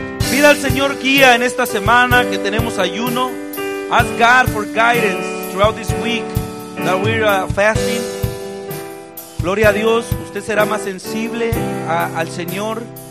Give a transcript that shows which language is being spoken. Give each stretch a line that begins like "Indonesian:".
Spanish: Pida al Señor guía en esta semana que tenemos ayuno.
English: Ask God for guidance throughout this week that we're fasting.
Spanish: Gloria a Dios, usted será más sensible al Señor.